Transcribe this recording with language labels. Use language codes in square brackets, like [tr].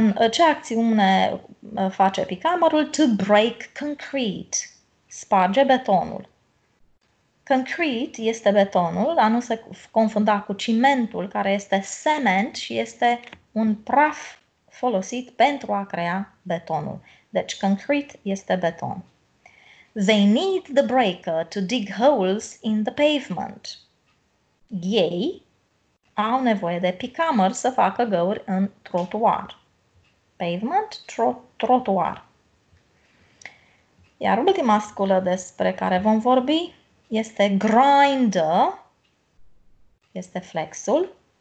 [ro] Ce acțiune face picamărul? [en] To break concrete. [ro] Sparge betonul. Concrete este betonul, dar nu se confunda cu cimentul, care este cement și este un praf folosit pentru a crea betonul. Deci, concrete este beton. [en] They need the breaker to dig holes in the pavement. [ro] Ei au nevoie de picamăr să facă găuri în trotuar. Pavement, trotuar. Iar ultima sculă despre care vom vorbi este grinder, este flexul.